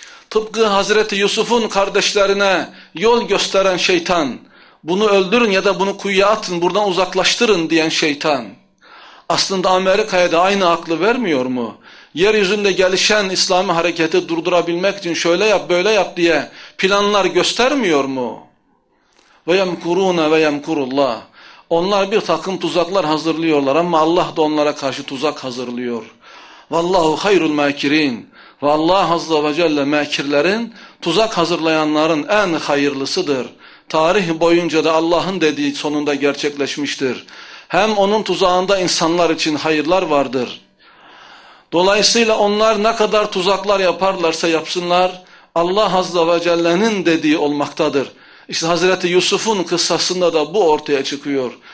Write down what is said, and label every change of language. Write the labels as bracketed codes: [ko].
[tr] Tıpkı Hazreti Yusuf'un kardeşlerine yol gösteren şeytan, bunu öldürün ya da bunu kuyuya atın, buradan uzaklaştırın diyen şeytan, aslında Amerika'ya da aynı aklı vermiyor mu? Yeryüzünde gelişen İslami hareketi durdurabilmek için şöyle yap, böyle yap diye planlar göstermiyor mu? [ar] وَيَمْكُرُونَ وَيَمْكُرُ اللّٰهِ [tr] Onlar bir takım tuzaklar hazırlıyorlar ama Allah da onlara karşı tuzak hazırlıyor. [ar] وَاللّٰهُ خَيْرُ الْمَاكِرِينَ وَاللّٰهُ عَزَّ وَجَلَّ [tr] mekirlerin, tuzak hazırlayanların en hayırlısıdır. Tarih boyunca da Allah'ın dediği sonunda gerçekleşmiştir. Hem onun tuzağında insanlar için hayırlar vardır. Dolayısıyla onlar ne kadar tuzaklar yaparlarsa yapsınlar, Allah Azze ve Celle'nin dediği olmaktadır. İşte Hazreti Yusuf'un kıssasında da bu ortaya çıkıyor.